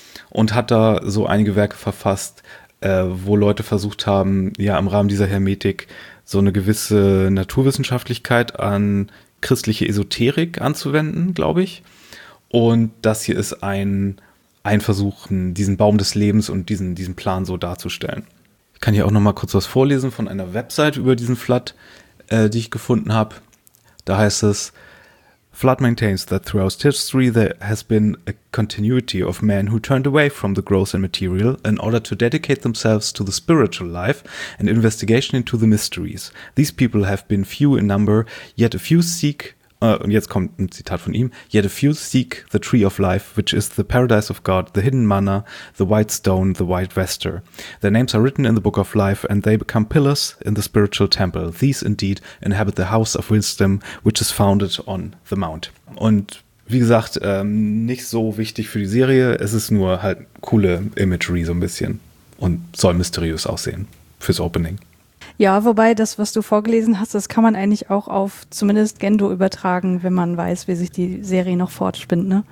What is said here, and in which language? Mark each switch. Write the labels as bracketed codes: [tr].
[de] Und hat da so einige Werke verfasst, wo Leute versucht haben, ja im Rahmen dieser Hermetik so eine gewisse Naturwissenschaftlichkeit an christliche Esoterik anzuwenden, glaube ich. Und das hier ist ein Versuch, diesen Baum des Lebens und diesen Plan so darzustellen. Ich kann hier auch noch mal kurz was vorlesen von einer Website über diesen Flood, die ich gefunden habe. Da heißt es: [en] Flood maintains that throughout history there has been a continuity of men who turned away from the gross and material in order to dedicate themselves to the spiritual life and investigation into the mysteries. These people have been few in number, yet a few seek, [de] und jetzt kommt ein Zitat von ihm, [en] yet a few seek the tree of life, which is the paradise of God, the hidden manna, the white stone, the white vesture. Their names are written in the book of life and they become pillars in the spiritual temple. These indeed inhabit the house of wisdom, which is founded on the mount. [de] Und wie gesagt, nicht so wichtig für die Serie, es ist nur halt coole Imagery so ein bisschen und soll mysteriös aussehen fürs Opening. Ja, wobei das, was du vorgelesen hast, das kann man eigentlich auch auf zumindest Gendo übertragen, wenn man weiß, wie sich die Serie noch fortspinnt, ne?